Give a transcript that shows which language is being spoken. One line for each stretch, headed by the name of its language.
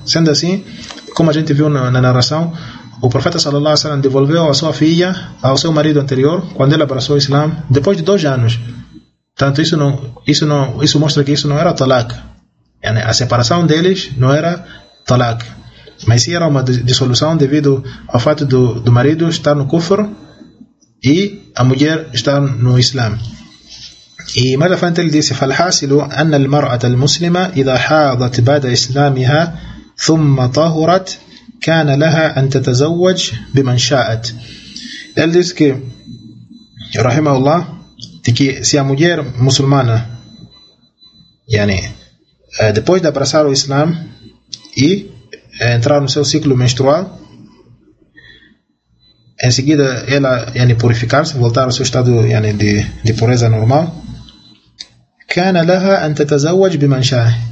Portuguese: Sendo assim, como a gente viu na narração, o profeta sallallahu alaihi wasallam devolveu a sua filha ao seu marido anterior quando ele abraçou o Islam, depois de 2 anos. Tanto isso mostra que isso não era talak, a separação deles não era talak, mas sim era uma dissolução devido ao fato do marido estar no kufr e a mulher estar no Islam. E mais à frente ele disse:
Arabic: فَالْحَاسِلُ أَنَّ الْمَرْأَةَ الْمُسْلِمَةَ إِذَا حَاضَتْ بَعْدَ إِسْلَامِهَا ثُمَّ طَهُرَتْ كَانَ لَهَا أَن تَتَزَوَّجْ بِمَنْ شَاءَتْ.
Portuguese: Ele disse que, rahimahullah, que se a mulher muçulmana, depois de abraçar o Islam e entrar no seu ciclo menstrual, em seguida ela purificar-se, voltar ao seu estado de pureza normal,
Arabic: كَانَ لَهَا أَن تَتَزَوَّجْ بِمَنْ شَاءَ.